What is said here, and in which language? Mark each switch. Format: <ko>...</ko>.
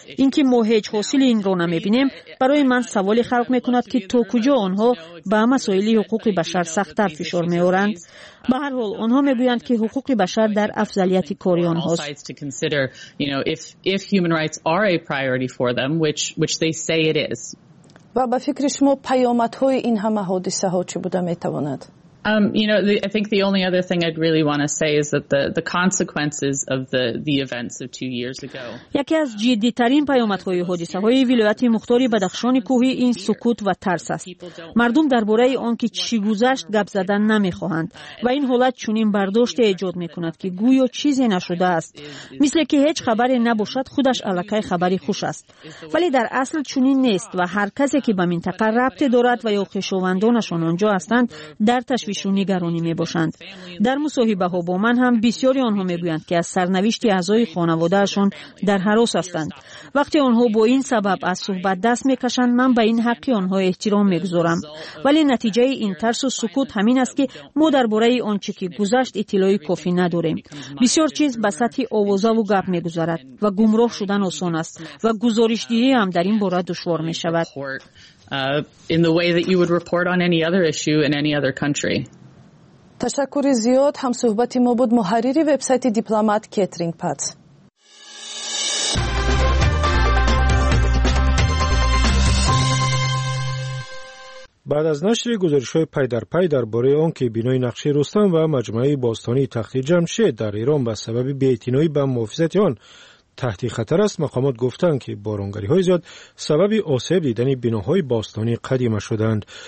<fa>اینکه ما هیچ حاصل این را نمیبینیم برای من سوال خلق میکند که تو کجا آنها به مسائل حقوق بشر سختتر فشار میارند. به هر حال آنها میگویند که حقوق بشر در افضلیت کاری آنهاست. و به فکر شما پیامدهای این همه حادثه ها چی بوده میتواند؟</fa> <en>I think the only other thing I'd really want to say is that the consequences of the events of 2 years ago.</en> <fa>یکی از جدی‌ترین پیامدهای حادثه‌های ولایت مختار بدخشان کوهی این سکوت و ترس است. مردم درباره آن که چی گذشت گپ زدن نمی‌خواهند و این حالت چنین برداشت ایجاد می‌کند که گویا چیزی نشده است. مثل که هیچ خبری نباشد خودش الکی خبری خوش است. ولی در اصل چنین نیست و هر کسی که به منطقه ربط دارد و یا خویشاوندانشان آنجا هستند در تشویش و نگرانی می باشند. در مصاحبه ها با من هم بسیاری آنها می گویند که از سرنوشت اعضای خانواده شان در هراس هستند. وقتی آنها با این سبب از صحبت دست می کشند من به این حقی آنها احترام می گذارم. ولی نتیجه این ترس و سکوت همین است که ما درباره آنچه که گذشت اطلاعی کافی نداریم. بسیار چیز به سطح آوازه و گپ می گذارد و گمراه شدن آسان است و گزارش دهی هم در این باره دشوار می شود.</fa> <en>In the way that you would report on any other issue in any other country.</en> <fa>تشکر زیاد هم صحبتی ما بود محرری وبسایت دیپلمات کترینگ پات. بعد از نشر گزارش‌های پی در پی درباره آن که بنای نقشه رستم و مجمع باستانی تخت جمشید در ایران به سبب بی‌اعتنایی به محافظت آن تحت خطر است، مقامات گفتند که بارانگری های زیاد سبب آسیب دیدن بناهای باستانی قدیمه شدند.</fa>